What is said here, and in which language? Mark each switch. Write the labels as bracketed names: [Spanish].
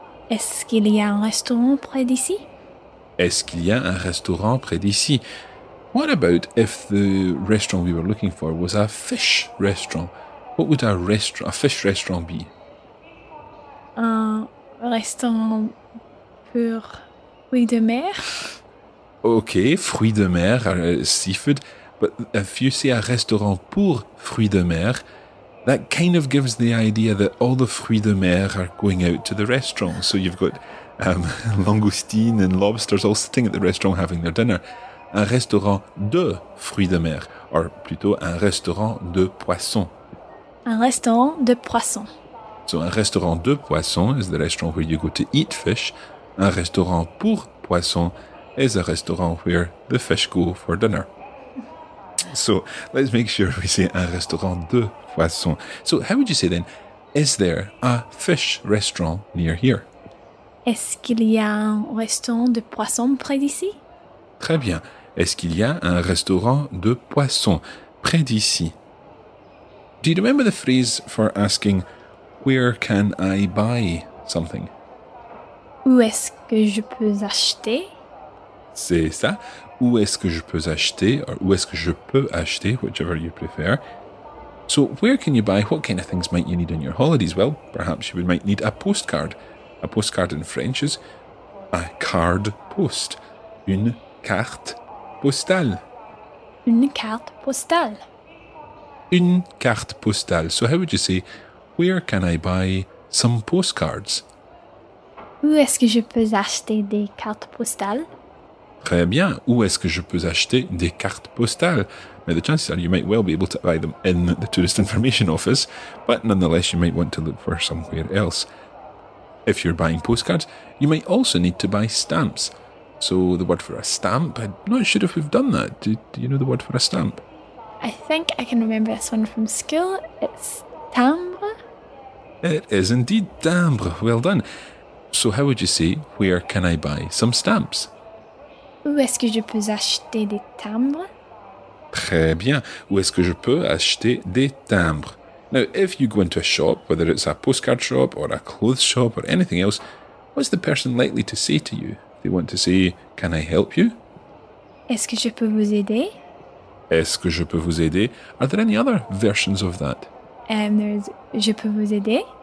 [French] Est-ce qu'il y a un restaurant près d'ici? Est-ce qu'il y a un restaurant près d'ici? [English] What about if the restaurant we were looking for was a fish restaurant? What would a fish restaurant be? [French] Un restaurant pur fruit de mer. [English] Okay, fruit de mer, seafood. But if you say a [French] restaurant pour fruits de mer, [English] that kind of gives the idea that all the fruits de mer are going out to the restaurant. So you've got langoustine and lobsters all sitting at the restaurant having their dinner. [French] Un restaurant de fruits de mer, [English] or [French] plutôt un restaurant de poissons. Un restaurant de poissons. [English] So [French] un restaurant de poissons [English] is the restaurant where you go to eat fish. [French] Un restaurant pour poissons [English] is a restaurant where the fish go for dinner. So let's make sure we say [French] un restaurant de poissons. [English] So how would you say then, is there a fish restaurant near here? [French] Est-ce qu'il y a un restaurant de poissons près d'ici? Très bien. Est-ce qu'il y a un restaurant de poissons près d'ici? [English] Do you remember the phrase for asking, where can I buy something? [French] Où est-ce que je peux acheter? C'est ça. Où est-ce que je peux acheter? Or où est-ce que je peux acheter? [English] Whichever you prefer. So where can you buy? What kind of things might you need on your holidays? Well, perhaps you might need a postcard. A postcard in French is a card post. [French] Une carte postale. Une carte postale. Une carte postale. [English] So how would you say, where can I buy some postcards? [French] Où est-ce que je peux acheter des cartes postales? Très bien. Où est-ce que je peux acheter des cartes postales? [English] Now, the chances are you might well be able to buy them in the tourist information office, but nonetheless, you might want to look for somewhere else. If you're buying postcards, you might also need to buy stamps. So the word for a stamp, I'm not sure if we've done that. Do you know the word for a stamp? I think I can remember this one from school. It's timbre. It is indeed timbre. Well done. So how would you say, where can I buy some stamps? [French] Où est-ce que je peux acheter des timbres? Très bien. Où est-ce que je peux acheter des timbres? [English] Now, if you go into a shop, whether it's a postcard shop or a clothes shop or anything else, what's the person likely to say to you? They want to say, can I help you? [French] Est-ce que je peux vous aider? Est-ce que je peux vous aider? [English] Are there any other versions of that? There's [French] je peux vous aider.